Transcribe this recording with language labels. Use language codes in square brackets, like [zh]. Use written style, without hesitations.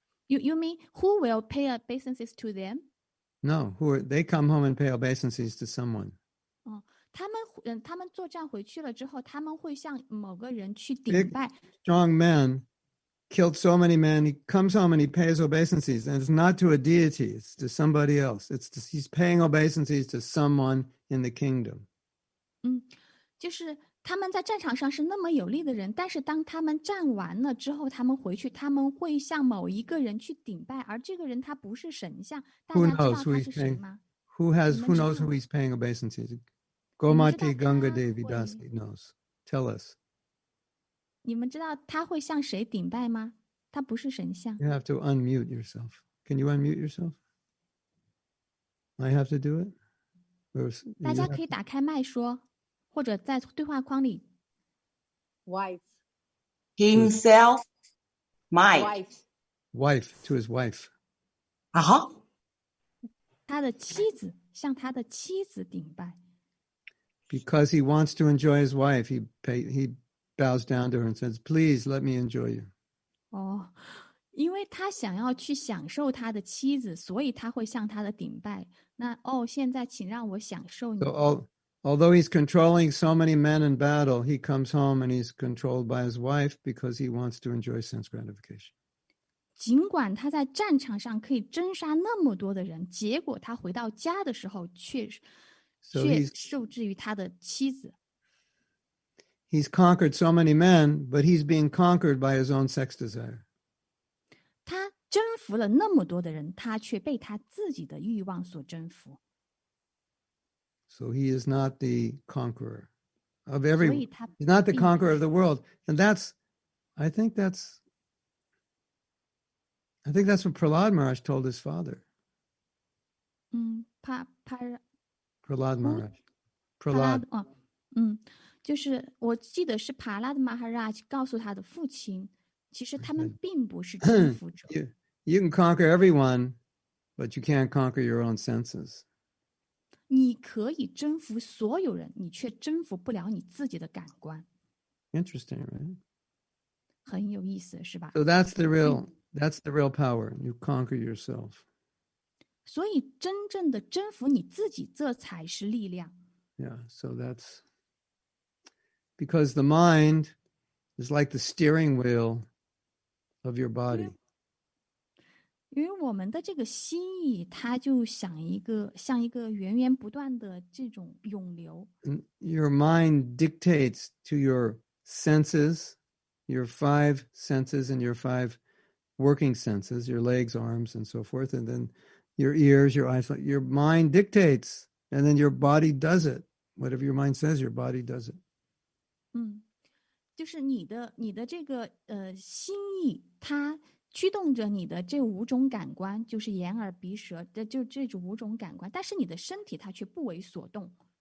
[en] You mean who will pay obeisances to them? No, who are, they come home and pay obeisances to someone. [zh] 他们作战回去了之后，他们会向某个人去顶拜。 [en] Big, strong man killed so many men, he comes home and he pays obeisances. And it's not to a deity, it's to somebody else. It's to, he's paying obeisances to someone in the kingdom. [zh] 就是他们在战场上是那么有力的人，但是当他们战完了之后，他们回去，他们会向某一个人去顶拜，而这个人他不是神像。 [en] Who knows who he's paying? Who knows who he's paying obeisances? Gomati Ganga Devi Dasi knows. Tell us. [zh] 你们知道他会向谁顶拜吗？他不是神像。 [en] You have to unmute yourself. Can you unmute yourself? I have to do it? [zh] 大家可以打开麦说，或者在对话框里。 [en] Wife. Himself. My. Wife. Wife to his wife. Uh-huh. [zh] 他的妻子，向他的妻子顶拜。 [en] Because he wants to enjoy his wife, he bows down to her and says, please let me enjoy you. [zh] Oh, 因为他想要去享受他的妻子，所以他会向他的顶拜。那哦，现在请让我享受你。 [en] So, although he's controlling so many men in battle, he comes home and he's controlled by his wife because he wants to enjoy sense gratification. [zh] 尽管他在战场上可以征杀那么多的人，结果他回到家的时候却受制于他的妻子。 [en] He's conquered so many men, but he's being conquered by his own sex desire. [zh] 他征服了那么多的人，他却被他自己的欲望所征服。 [en] So he is not the conqueror of everyone. He's not the conqueror of the world. And that's, I think that's what Prahlad Maharaj told his father. Prahlad Maharaj. Prahlad. [zh] 就是我记得是帕拉的马哈拉告诉他的父亲，其实他们并不是征服者。 [en] You can conquer everyone, but you can't conquer your own senses. [zh] 你可以征服所有人，你却征服不了你自己的感官。 [en] Interesting, right? [zh] 很有意思，是吧？ [en] So that's the real power. You conquer yourself. [zh] 所以真正的征服你自己，这才是力量。 [en] Yeah, so that's... Because the mind is like the steering wheel of your body. [zh] 因为我们的这个心意，它就像一个源源不断的这种涌流。 [en] Your mind dictates to your senses, your five senses and your five working senses, your legs, arms, and so forth, and then your ears, your eyes. Your mind dictates, and then your body does it. Whatever your mind says, your body does it. [zh] 就是你的这个心意，它驱动着你的这五种感官，就是眼耳鼻舌的，就这种五种感官，但是你的身体它却不为所动。